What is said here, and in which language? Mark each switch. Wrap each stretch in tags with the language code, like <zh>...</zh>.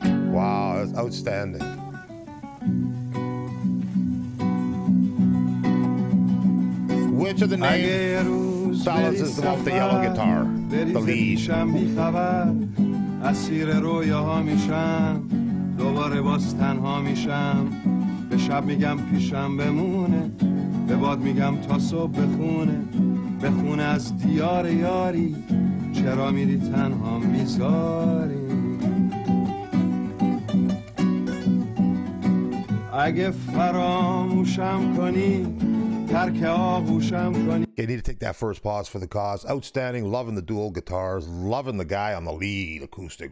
<en>Wow, that's outstanding. Which of the names? Fellas is the yellow guitar.</en> <fa>دوباره باز تنها میشم به شب میگم پیشم بمونه به باد میگم تا صبح بخونه بخونه از دیار یاری چرا میری تنها میذاری اگه فراموشم کنی</fa> <en>Okay, need to take that first pause for the cause. Outstanding, loving the dual guitars, loving the guy on the lead acoustic.</en>